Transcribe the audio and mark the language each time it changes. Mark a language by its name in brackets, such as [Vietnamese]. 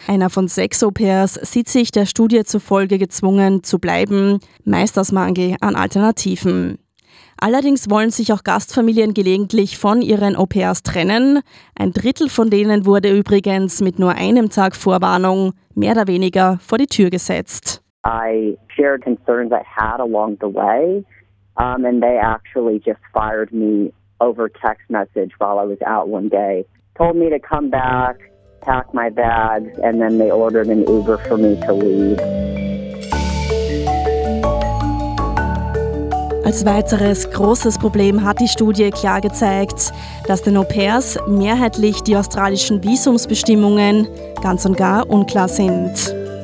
[German] Einer von 6 Au-pairs sieht sich der Studie zufolge gezwungen zu bleiben, meist aus Mangel an Alternativen. Allerdings wollen sich auch Gastfamilien gelegentlich von ihren Au-pairs trennen. Ein Drittel von denen wurde übrigens mit nur einem Tag Vorwarnung mehr oder weniger vor die Tür gesetzt. [English] I shared concerns I had along the way, and they actually just fired me over text message while I was out one day. Told me to come back, pack my bags, and then they ordered an Uber for me to leave. [German] Als weiteres großes Problem hat die Studie klar gezeigt, dass den Au-pairs mehrheitlich die australischen Visumsbestimmungen ganz und gar unklar sind.